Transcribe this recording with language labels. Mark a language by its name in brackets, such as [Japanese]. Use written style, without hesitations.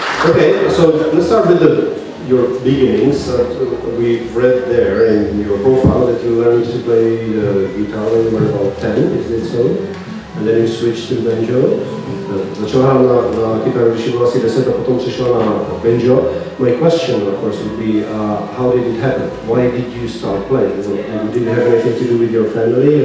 [English] Okay, so let's start with your beginnings. We've read there in your profile that you learned to play guitar when you were about 10, is it so? And then you switched to banjo. [Czech] Začala hrát na kytaru, když byla asi 10 a potom přišla na banjo. [English] My question, of course, would be, how did it happen? Why did you start playing? Well, did it have anything to do with your family?